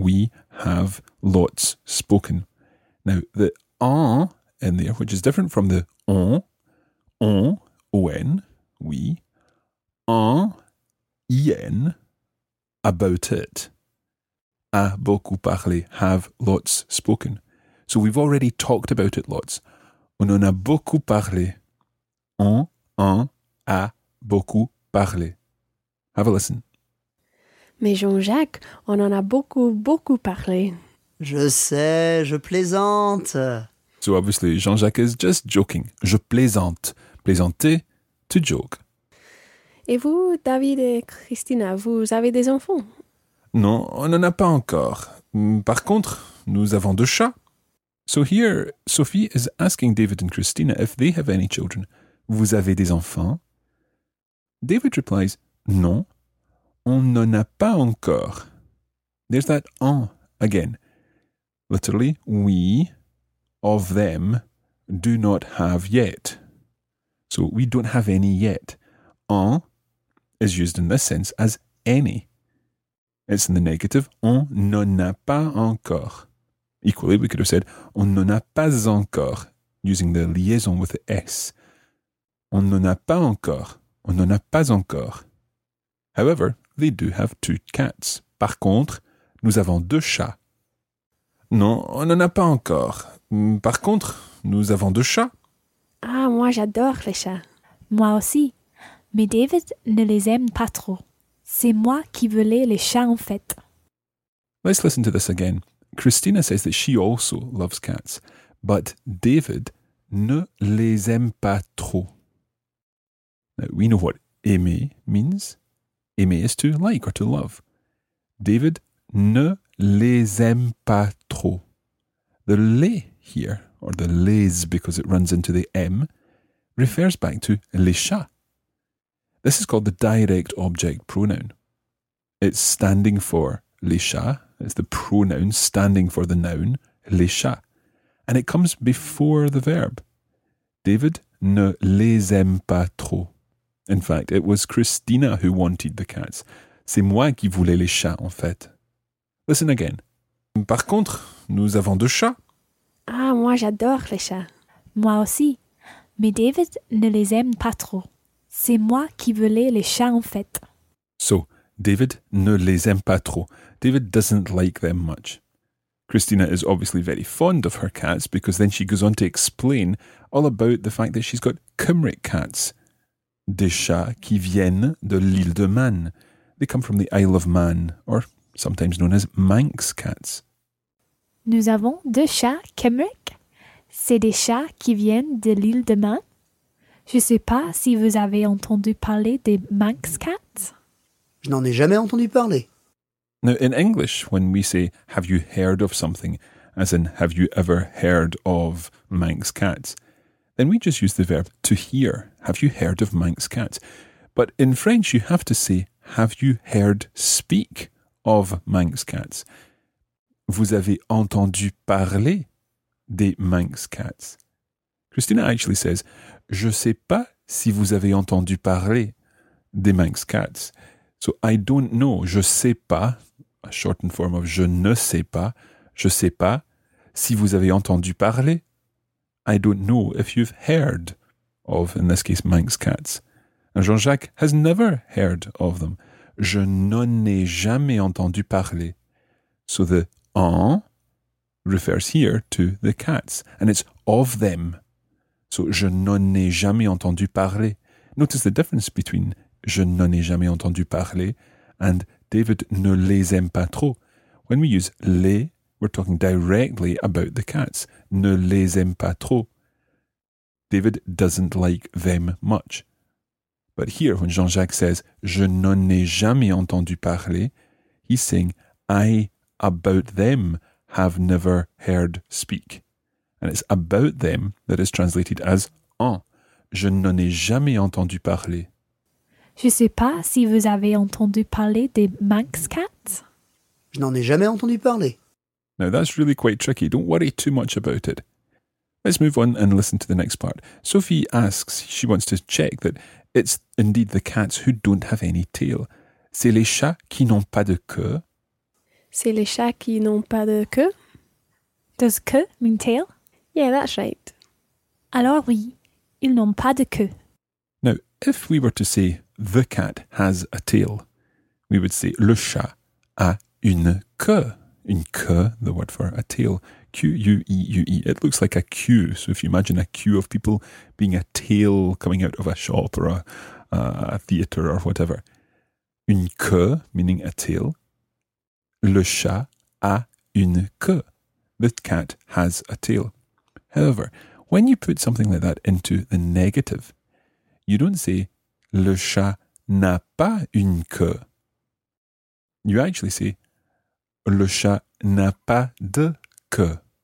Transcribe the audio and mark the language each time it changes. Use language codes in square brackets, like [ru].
[en] We have lots spoken. Now, the en in there, which is different from the on, on, on, oui, en, en, about it, [fr] a beaucoup parlé, [en] have lots spoken. So we've already talked about it lots. [fr] On en a beaucoup parlé. On en a beaucoup parlé. [en] Have a listen. [fr] Mais Jean-Jacques, on en a beaucoup, beaucoup parlé. Je sais, je plaisante. [en] So obviously, Jean-Jacques is just joking. [fr] Je plaisante. Plaisanter, [en] to joke. [fr] Et vous, David et Christina, vous avez des enfants? Non, on n'en a pas encore. Par contre, nous avons deux chats. [en] So here, Sophie is asking David and Christina if they have any children. [fr] Vous avez des enfants? David replies, non, on n'en a pas encore. [en] There's that en again. Literally, we, of them, do not have yet. So we don't have any yet. En is used in this sense as any. It's in the negative, [fr] on n'en a pas encore. [en] Equally, we could have said, on n'en a pas encore, using the liaison with the S. [fr] On n'en a pas encore. On n'en a pas encore. [en] However, they do have two cats. [fr] Par contre, nous avons deux chats. Non, on n'en a pas encore. Par contre, nous avons deux chats. Ah, moi j'adore les chats. Moi aussi. Mais David ne les aime pas trop. C'est moi qui voulais les chats en fait. [en] Let's listen to this again. Christina says that she also loves cats, but David [fr] ne les aime pas trop. [en] Now, we know what aimer means. Aimer is to like or to love. [fr] David ne les aime pas trop. [en] The les here, or the les because it runs into the M, refers back to [fr] les chats. [en] This is called the direct object pronoun. It's standing for [fr] les chats. [en] It's the pronoun standing for the noun, les chats. And it comes before the verb. [fr] David ne les aime pas trop. [en] In fact, it was Christina who wanted the cats. [fr] C'est moi qui voulais les chats, en fait. [en] Listen again. [fr] Par contre, nous avons deux chats. Ah, moi j'adore les chats. Moi aussi. Mais David ne les aime pas trop. C'est moi qui voulais les chats, en fait. So, David ne les aime pas trop. [en] David doesn't like them much. Christina is obviously very fond of her cats because then she goes on to explain all about the fact that she's got Cymric cats. [fr] Des chats qui viennent de l'île de Man. [en] They come from the Isle of Man, or sometimes known as Manx cats. [fr] Nous avons deux chats Cymric. C'est des chats qui viennent de l'île de Man. Je ne sais pas si vous avez entendu parler des Manx cats. Je n'en ai jamais entendu parler. [en] Now, in English, when we say, have you heard of something, as in, have you ever heard of Manx cats, then we just use the verb to hear. Have you heard of Manx cats? But in French, you have to say, have you heard speak of Manx cats? [fr] Vous avez entendu parler des Manx cats? [en] Christina actually says, [fr] je sais pas si vous avez entendu parler des Manx cats. [en] So, I don't know, [fr] je sais pas, [en] a shortened form of [fr] je sais pas si vous avez entendu parler. [en] I don't know if you've heard of, in this case, Manx cats. And Jean-Jacques has never heard of them. [fr] Je n'en ai jamais entendu parler. [en] So the en refers here to the cats, and it's of them. [fr] So je n'en ai jamais entendu parler. [en] Notice the difference between [fr] je n'en ai jamais entendu parler and David ne les aime pas trop. [en] When we use les, we're talking directly about the cats. [fr] Ne les aime pas trop. [en] David doesn't like them much. But here, when Jean-Jacques says, [fr] je n'en ai jamais entendu parler, [en] he's saying, I, about them, have never heard speak. And it's about them that is translated as en. [fr] Je n'en ai jamais entendu parler. Je ne sais pas si vous avez entendu parler des Manx cats. Je n'en ai jamais entendu parler. [en] Now that's really quite tricky. Don't worry too much about it. Let's move on and listen to the next part. Sophie asks, she wants to check that it's indeed the cats who don't have any tail. [fr] C'est les chats qui n'ont pas de queue. C'est les chats qui n'ont pas de queue. [en] Does queue mean tail? Yeah, that's right. [fr] Alors oui, ils n'ont pas de queue. [en] Now, if we were to say the cat has a tail, we would say [fr] le chat a une queue. [en] Une queue, the word for a tail. Q-U-E-U-E. It looks like a queue. So if you imagine a queue of people being a tail coming out of a shop or a theatre or whatever. une queue, meaning a tail. [fr] Le chat a une queue. [en] The cat has a tail. However, when you put something like that into the negative, you don't say [fr] le chat n'a pas une queue. [en] You actually say [fr] le chat n'a pas de queue.